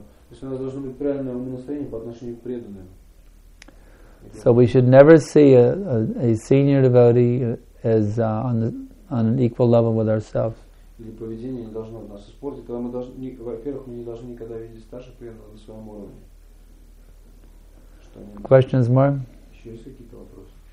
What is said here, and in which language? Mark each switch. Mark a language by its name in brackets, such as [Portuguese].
[Russian] Если у нас должно быть правильное настроение по отношению к преданным. [English] So we should never see a senior devotee as on an equal level with ourselves. [Russian] Или поведение не должно нас испортить, когда мы должны, во-первых, мы не должны никогда видеть старших преданных на своем уровне. [English] Questions more? [Russian] Еще есть какие-то вопросы?